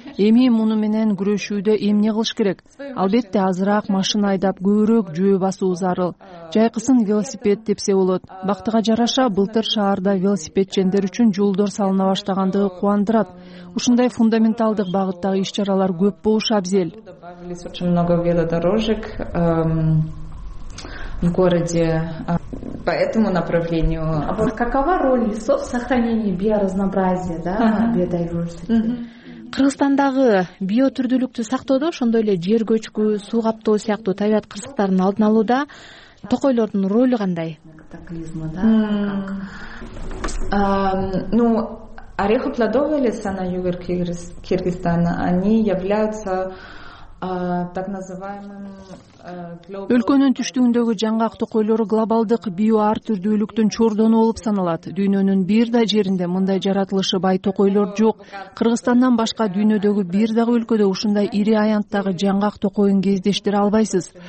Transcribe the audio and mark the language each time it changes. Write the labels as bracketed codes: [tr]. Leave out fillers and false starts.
[ky] Эми муну менен күрөшүүдө эмне кылыш керек? Албетте, азыраак машина айдап, көбүрөөк жөө басуу зарыл. Жайкысын велосипед тепсе болот. Бактыга жараша, былтыр шаарда велосипед жендер үчүн жолдор салына баштагандыгы кубандырат. Ушундай фундаменталдык багыттагы иш-чаралар көп болуш абзел. [ru] Очень много велодорожек в городе. По этому направлению. А вот какова роль лесов в сохранении биоразнообразия, да, биодайверсити? [ky] Кыргызстандагы биотүрдүүлүктү сактоодо, ошондой эле жер көчкү, суу каптоо сыяктуу табият кырсыктарын алдын алууда токойлордун ролу кандай? [ru] Катаклизма, да? Ну, орехоплодовые леса на юге Кыргызстана, они являются так называемым. [ky] Өлкөнүн түштүгүндөгү жаңгак токойлору глобалдык биоар түрдүүлүктүн чордону болуп саналат. Дүйнөнүн бир да жеринде мындай жаратылышы бай токойлор жок. Кыргызстандан башка дүйнөдөгү бир дагы өлкөдө ушундай ири аянттагы жаңгак токоюн кездештире албайсыз.